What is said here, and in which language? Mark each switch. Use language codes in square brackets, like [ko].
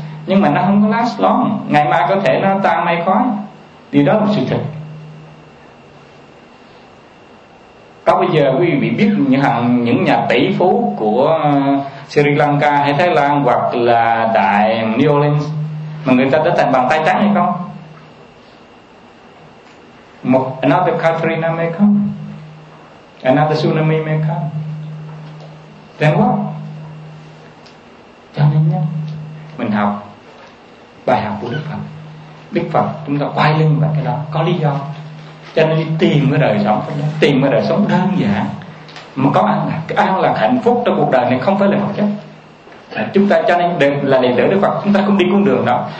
[vi] Nhưng mà nó không có [en] last long, [vi] ngày mai có thể nó tan mây khói. Điều đó là sự thật. Có bây giờ quý vị biết những nhà tỷ phú của Sri Lanka hay Thái Lan hoặc là tại New Orleans mà người ta đã thành bàn tay trắng hay không? Một [en] another Katrina may come, another tsunami may come. Then what? [vi] Cho nên nhé, mình học bài học của Đức Phật. Đức Phật chúng ta quay lưng vào cái đó có lý do. Cho nên đi tìm cái đời sống, tìm cái đời sống đơn giản mà có an lạc. Cái an lạc hạnh phúc trong cuộc đời này không phải là vật chất. Chúng ta cho nên là đệ tử Đức Phật, chúng ta không đi con đường đó.